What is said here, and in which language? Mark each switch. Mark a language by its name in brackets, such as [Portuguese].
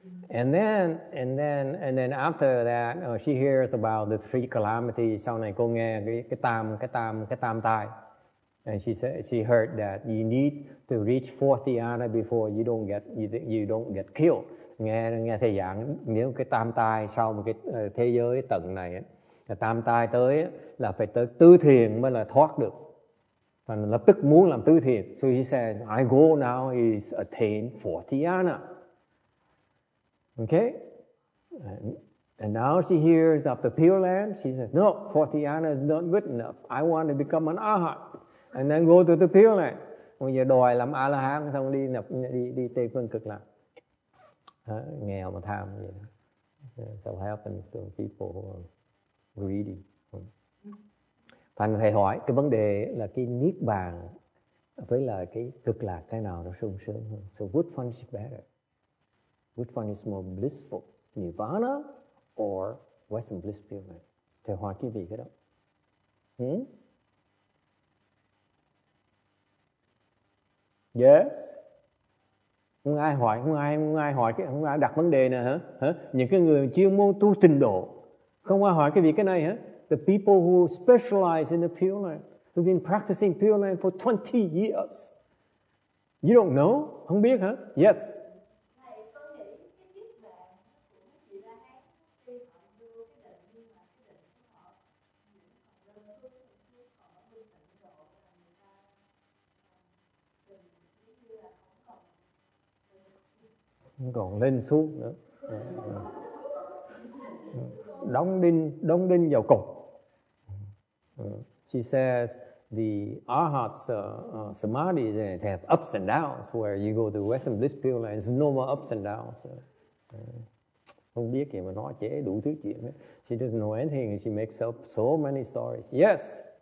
[English] And then after that, she hears about the three calamities. [Vietnamese] Sau này cô nghe cái tam tai. [English] And she heard that you need to reach fourth dhyana before you don't get killed. [Vietnamese] Nghe thầy giảng, nếu cái tam tai sau một cái thế giới tầng này, tam tai tới là phải tới tư thiền mới là thoát được. Thành lập tức muốn làm tư thiền. [English] So he said, my goal now is attain fourth dhyana. Okay? And now she hears of the Pure Land. She says, no, fourth dhyana is not good enough. I want to become an arhat. And then go to the Pure Land. [Vietnamese] Bây giờ đòi làm A-la-hán xong đi Tây Phương Cực Lạc. Nghèo mà tham. [English] So what happens to people who are greedy? [Vietnamese] Thành thầy hỏi cái vấn đề là cái Niết Bàn với là cái cực lạc cái nào nó sung sướng hơn? [English] So which one is better? Which one is more blissful? Nirvana or Western Bliss Period? [Vietnamese] Thầy hỏi cái gì cái đó? Yes? Không ai đặt vấn đề nè hả? Những cái người chuyên môn tu trình độ không ai hỏi cái gì cái này hả? [English] The people who specialize in the Pure Land, who've been practicing Pure Land for 20 years. You don't know? [Vietnamese] Không biết hả? [English] Yes. [Vietnamese] Còn lên xuống nữa. Đóng đinh vào cột. [English] She says the arhats, samadhi, they have ups and downs, where you go to Western Bliss Pure Land, there's no more ups and downs. [Vietnamese] Không biết gì mà nói chế đủ thứ chuyện. [English] She doesn't know anything and she makes up so many stories. Yes.